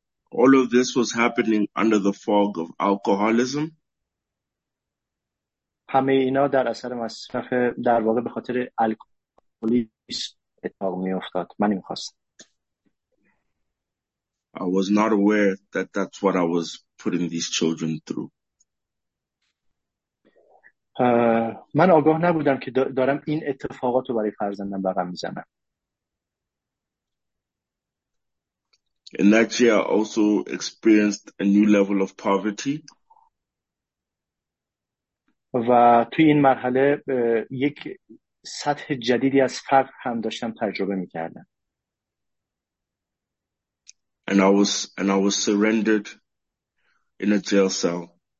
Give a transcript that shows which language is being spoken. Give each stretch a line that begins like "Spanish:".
English: All of this was happening under the fog of alcoholism.
Persian: همه اینا در اثر مصرف در واقع به خاطر الکلیسم اتفاق می افتاد. من نمی‌خواستم.
English: I was not aware that that's what I was putting these children through.
Persian: من آگاه نبودم که دارم این اتفاقات رو برای فرزندم رقم می‌زنم.
English: In that year, I also experienced a new level of poverty.
Persian: و تو این مرحله یک سطح جدیدی از فقر هم داشتم تجربه می‌کردم.
English: And I was surrendered in a jail cell.